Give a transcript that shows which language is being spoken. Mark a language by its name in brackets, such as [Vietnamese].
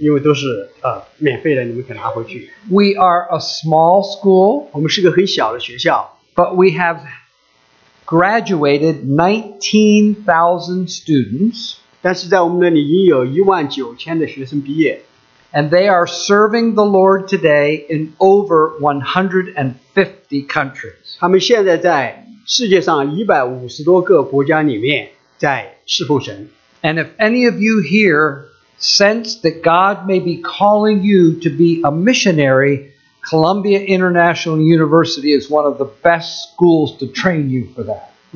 [Chinese] 在外面的桌子上有关于我们学校里面的一些信息的卡片、单张，请大家尽量的拿，因为都是免费的，你们可以拿回去。 [English] We are a small school. [Chinese] 我们是个很小的学校。 [English] But we have graduated 19,000 students. [Chinese] 但是在我们那里已有19,000的学生毕业, [English] and they are serving the Lord today in over 150 countries. [Chinese] 他们现在在世界上150多个国家里面在侍奉神。 [English] And if any of you here sense that God may be calling you to be a missionary, Columbia International University is one of the best schools to train you for that.